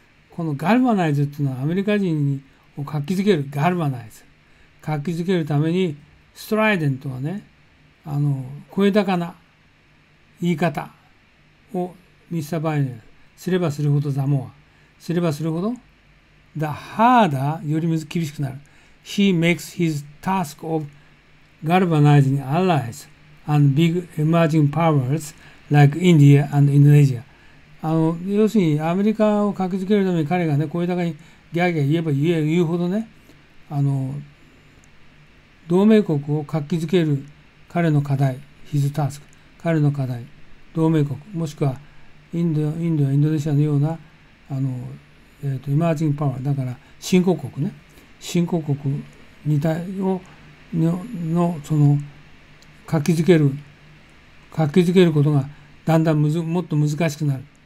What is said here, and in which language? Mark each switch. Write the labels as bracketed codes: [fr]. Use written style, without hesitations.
[ja] この galvanize っていうのはアメリカ人に活気づける、ガルバナイズ、活気づけるために、ストライデントはね、声高な言い方をミスターバイデンすればするほど、ザモアすればするほど、ザハーダー、より厳しくなる。 [en] He makes his task of galvanizing allies and big emerging powers like India and Indonesia。 [ja] 要するにアメリカを活気づけるために、彼がね、声高にギャーギャー言えば言うほどね、同盟国を活気づける彼の課題、ヒズタスク、彼の課題、同盟国、もしくはインドやインドネシアのような、イマージングパワー、だから新興国ね、新興国に対をのその活気づけることがだんだんもっと難しくなる。